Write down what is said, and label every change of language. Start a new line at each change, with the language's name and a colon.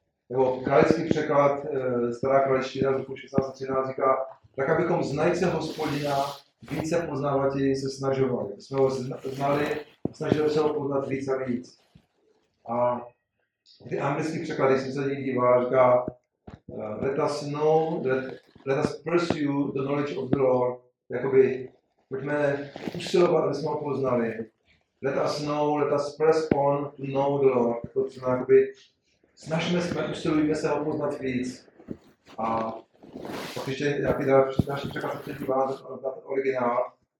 Czech: Jeho kralický překlad, stará kralština z roku 1613 říká, tak abychom znajíce Hospodina více poznávati se snažovali. Jsme ho znali, snažili se ho poznat víc a víc. A ty anglický překlady, jsem se na něj díval, říká,
English: let us know, let us pursue the knowledge of the Lord.
Czech: Jakoby, pojďme usilovat, aby jsme ho poznali.
English: Let us know, let us press on to know the Lord.
Czech: To znamená, jakoby, snažíme se, usilujeme se ho poznat víc. A pak ještě nějaký další překlad, se předívá na ten originál.